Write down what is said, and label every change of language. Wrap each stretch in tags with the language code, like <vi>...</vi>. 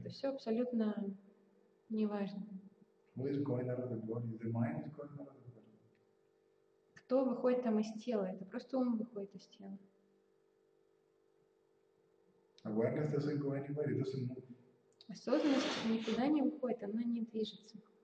<ru>Это все абсолютно неважно.</ru> <en>Who is going out of the body? The mind is going out of the body.</en> <ru>Кто выходит там из тела? Это просто ум выходит из тела.</ru> <en>Awareness doesn't go anywhere, it doesn't move.</en> <ru>Осознанность никуда не уходит, она не движется.</ru>